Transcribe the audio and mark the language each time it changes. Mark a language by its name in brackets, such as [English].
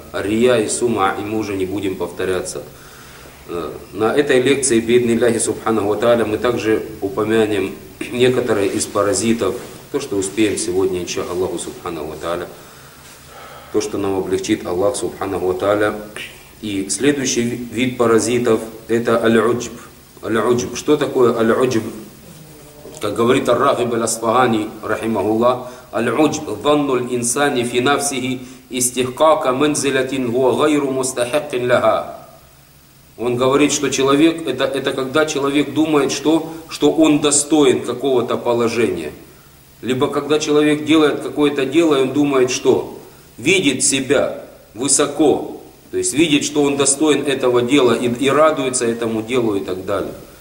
[Russian] О рия и сума, и мы уже не будем повторяться. На этой лекции, бидни ляхи субханаху ва тааля, мы также упомянем некоторые из паразитов, то, что успеем сегодня, инша Аллаху Субханаху ва Тааля, то, что нам облегчит Аллах Субханаху ва Тааля. И следующий вид паразитов это аль-уджб. Аль-уджб. Что такое аль-уджб? Как говорит ар-Рагиб аль-Асфахани рахимахулла, аль-уджб [Arabic] ظن الانسان في نفسه استحقاق منزلة هو غير مستحق لها. [Russian] Он говорит, что человек это когда человек думает, что он достоин какого-то положения. Либо когда человек делает какое-то дело, он думает, что видит себя высоко, то есть видит, что он достоин этого дела и радуется этому делу и так далее.